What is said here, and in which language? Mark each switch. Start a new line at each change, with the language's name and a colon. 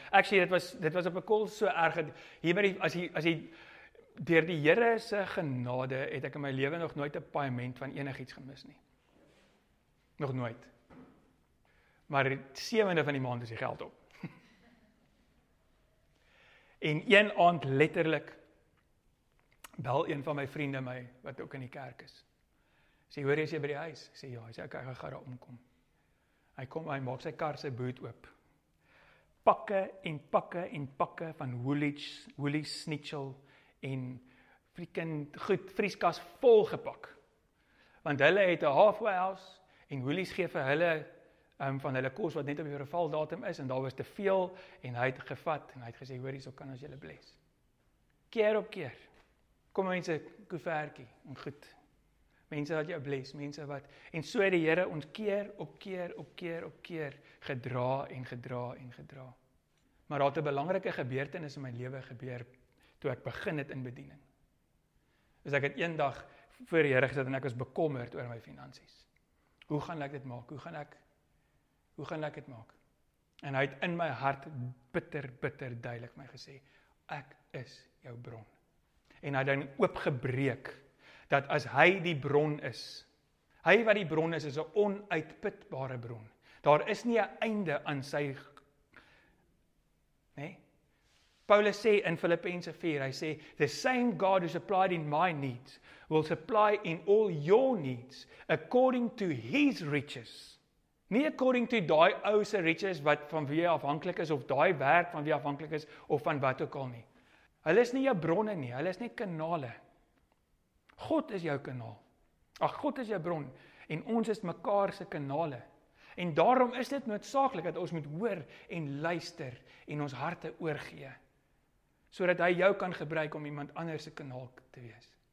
Afrikaans: Actually, dit was op 'n kol so erg, hier by die, as jy, deur die Here se genade, het ek in my lewe nog nooit 'n paiement van enigiets gemis nie. Nog nooit. Maar 7de van die maand is die geld op. En een aand letterlik, bel een van my vriende my, wat ook in die kerk is. Sê, hoor jy is jy by die huis? Sê, ja, hy sê, ek gaan daar omkom. Hy kom, hy maak sy kar se boot oop. Pakke en pakke en pakke van Woolies, Snitchel en freaking goed, vrieskas vol gepak. Want hulle het 'n halfway house en Woolies gee vir hulle van hulle kos wat net op die vervaldatum is en daar was te veel en hy het gevat en hy het gesê, hoor hier, so kan ons julle bless. Keer op keer kom mense koevertjie en goed. Mense wat jou bless, mense wat, en so het die Here ons keer op keer op keer op keer gedra en gedra en gedra. Maar daar het 'n belangrike gebeurtenis in my lewe gebeur toe ek begin het in bediening. Is ek het eendag voor die Here gesit en ek was bekommerd oor my finansies. Hoe gaan ek dit maak? En hy het in my hart bitter, bitter duidelik my gesê, ek is jou bron. En hy het dan oopgebreek dat as hy die bron is, hy wat die bron is, is 'n onuitputbare bron. Daar is nie 'n einde aan sy, nee? Paulus sê in Filippense 4, hy sê,
English: the same God who supplied in my needs, will supply in all your needs, according to his riches.
Afrikaans: Nie
English: according to
Afrikaans: daai ou se riches wat van wie jy afhanklik is, of daai werk van wie afhanklik is, of van wat ook al nie. Hulle is nie jou bronne nie, hulle is net kanale. God is jou kanaal. Ag God is jou bron en ons is mekaar se kanale. En daarom is dit noodsaaklik dat ons moet hoor en luister en ons harte oorgee sodat hy jou kan gebruik om iemand anders se kanaal te wees.